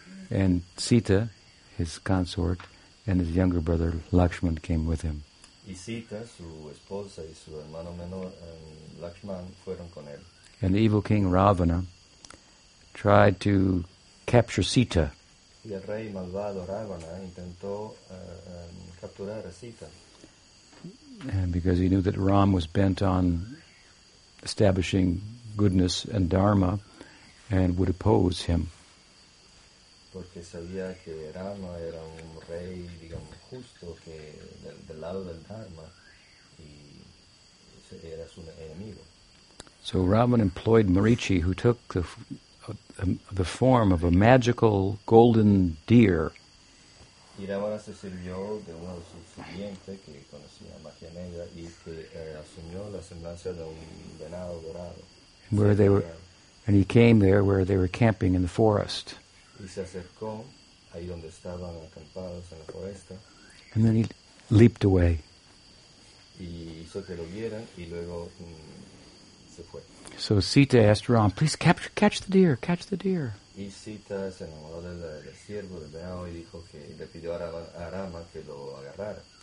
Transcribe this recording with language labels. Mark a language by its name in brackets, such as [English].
[English] And Sita, his consort, and his younger brother Lakshman came with him. [Spanish] Y Sita, su esposa y su hermano menor, Lakshman, fueron con él. [English] And the evil king Ravana tried to capture Sita. [Spanish] Y el rey malvado Ravana intentó capturar a Sita. [English] And because he knew that Ram was bent on establishing goodness and dharma and would oppose him. [Spanish] Porque sabía que Rama era un rey, digamos, justo, que del lado del dharma, y era su enemigo. [English] So Ravana employed Marichi, who took the form of a magical golden deer. [Spanish] Y Ravana se sirvió de uno de sus sirvientes que conocía magia negra y que asumió la semblanza de un venado dorado. [English] Where they were, and he came there where they were camping in the forest. [Spanish] Y se acercó ahí donde estaban acampados en la foresta. [English] And then he leaped away. [Spanish] Y hizo que lo vieran y luego se fue. [English] So Sita asked Ram, please catch the deer, catch the deer. [Spanish] Y Sita se enamoró del ciervo, del venado, y dijo que le pidió a Rama que lo agarrara.